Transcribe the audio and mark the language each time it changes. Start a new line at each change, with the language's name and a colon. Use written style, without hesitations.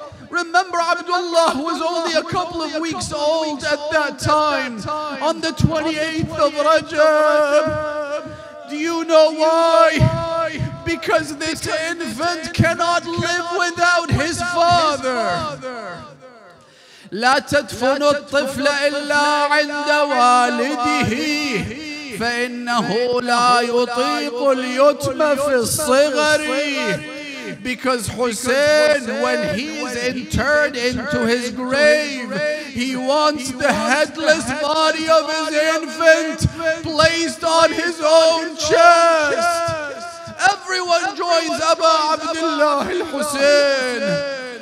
English: Remember Abdullah was only a couple of weeks old at that time, on the 28th of Rajab. Do you know why? Because this infant cannot live without his father.
Arabic: لا تدفن الطفل إلا عند والده فإنه لا يطيق اليتم في الصغر.
English: Because Hussein, when he is interred into his grave, he wants the headless body of his infant placed on his own chest. Everyone joins Aba Abdullah al-Hussein.